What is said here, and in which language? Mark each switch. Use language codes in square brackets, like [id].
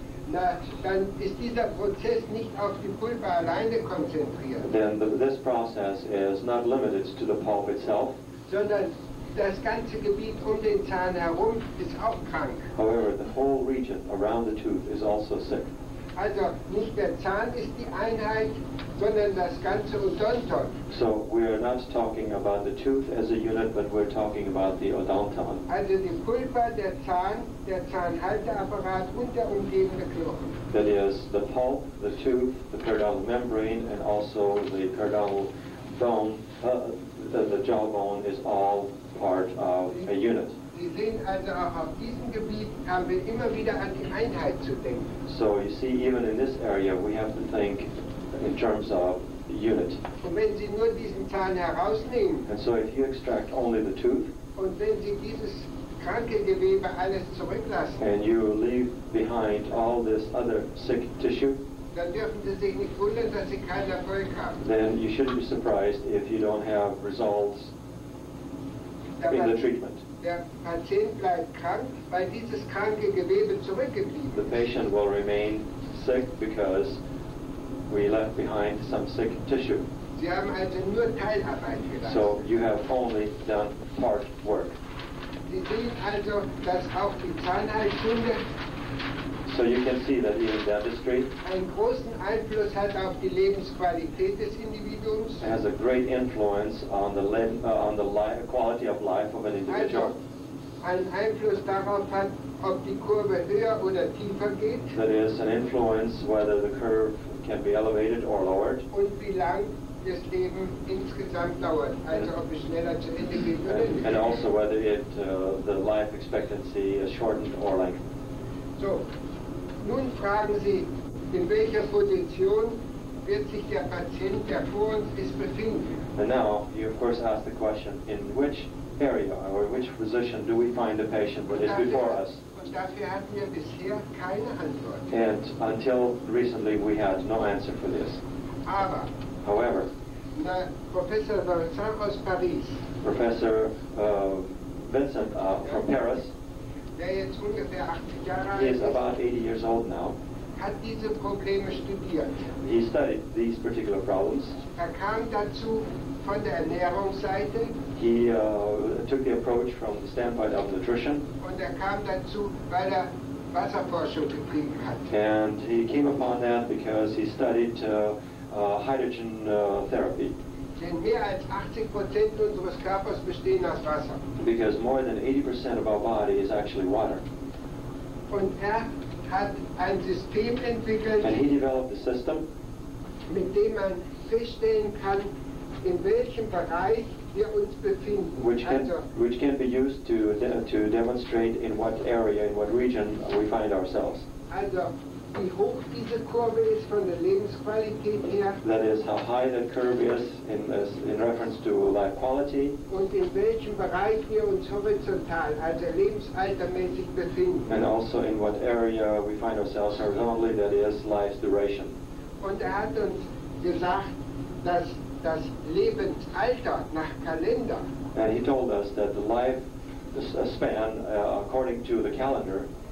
[de] na, dann ist dieser Prozess nicht auf die Pulpa alleine konzentriert. [en] Then this process is not limited to the pulp itself, [de] sondern das ganze Gebiet um den Zahn herum ist auch krank. [en] However, the whole region around the tooth is also sick. [de] Also nicht der Zahn ist die Einheit, sondern das ganze Odonton. [en] So we are not talking about the tooth as a unit, but we're talking about the odonton. [de] Also die Pulpa, der Zahnhalteapparat und der umgebende Knochen. [en] That is the pulp, the tooth, the periodontal membrane, and also the periodontal bone, the jawbone is all part of a unit. [de] Sie sehen also auch auf diesem Gebiet haben wir immer wieder an die Einheit zu denken. [en] So you see, even in this area we have to think in terms of the unit. [de] Und wenn Sie nur diesen Zahn herausnehmen, [en] and so if you extract only the tooth, [de] und wenn Sie dieses kranke Gewebe alles zurücklassen, [en] and you leave behind all this other sick tissue, [de] dann dürfen Sie sich nicht wundern, dass Sie keinen Erfolg haben. [en] Then you shouldn't be surprised if you don't have results in the treatment. [de] Der Patient bleibt krank, weil dieses kranke Gewebe zurückgeblieben ist. [en] The patient will remain sick because we left behind some sick tissue. [de] Sie haben also nur Teilarbeit gemacht. [en] So you have only done part work. [de] Sie sehen also, dass auch die Zahnheilkunde, [en] so you can see that even dentistry, [de] einen großen Einfluss hat auf die Lebensqualität des Individuums, [en] has a great influence on the quality of life of an individual. [de] Also, einen Einfluss darauf hat, ob die Kurve höher oder tiefer geht. [en] That is an influence whether the curve can be elevated or lowered. [de] Und wie lang das Leben insgesamt dauert, also ob es schneller zu Ende geht oder nicht. [en] And also whether the life expectancy is shortened or lengthened. [de] So. Nun fragen Sie, in welcher Position wird sich der Patient, der vor uns ist, befinden? [en] And now, you of course ask the question, in which area or in which position do we find the patient that is before us? [de] Und dafür hatten wir bisher keine Antwort. [en] And until recently we had no answer for this. [de] Aber, [en] however, [de] Professor Vincent aus Paris, [en] Professor Vincent from Paris, [de] der jetzt ungefähr 80 Jahre alt ist, [en] about 80 years old now. [de] hat diese Probleme studiert. [en] He studied these particular problems. [de] Er kam dazu von der Ernährungsseite. [en] He took the approach from the standpoint of nutrition. [de] Und er kam dazu, weil er Wasserforschung betrieben hat. [en] And he came upon that because he studied hydrogen therapy. [de] Denn mehr als 80% unseres Körpers bestehen aus Wasser. [en] Because more than 80% of our body is actually water. [de] Und er hat ein System entwickelt. [en] And he developed a system. [de] Mit dem man feststellen kann, in welchem Bereich wir uns befinden. [en] Which can be used to demonstrate in what area, in what region we find ourselves. [de] Also, wie hoch diese Kurve ist von der Lebensqualität her. [en] That is, how high that curve is in reference to life quality. [de] Und in welchem Bereich wir uns horizontal, also lebensaltermäßig befinden. [en] And also in what area we find ourselves horizontally, that is, life's duration. [de] Und hat uns gesagt, dass das Lebensalter nach Kalender. [en] And he told us that the life span, according to the calendar,